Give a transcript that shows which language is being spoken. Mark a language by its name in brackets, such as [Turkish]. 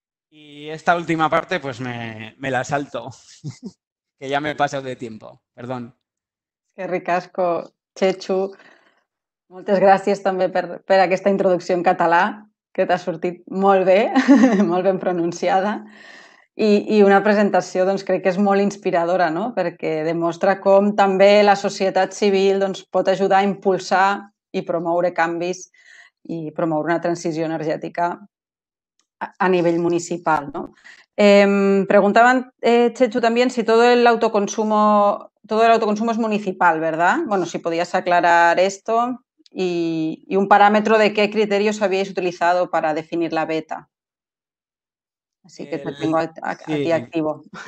[Spanish] Y esta última parte, pues me la salto, que ya me he pasado de tiempo, perdón. Qué ricasco, Chechu. [Catalan] Moltes gràcies també per aquesta introducció en català, que t'ha sortit molt bé, molt ben pronunciada. I una presentació, doncs, crec que és molt inspiradora, no? Perquè demostra com també la societat civil, doncs, pot ajudar a impulsar i promoure canvis i promoure una transició energètica a nivell municipal, ¿no? [Spanish] Preguntaban, Chechu, también si todo el autoconsumo es municipal, ¿verdad? Bueno, si podías aclarar esto y un parámetro de qué criterios habíais utilizado para definir la beta. Así que te tengo a ti activo.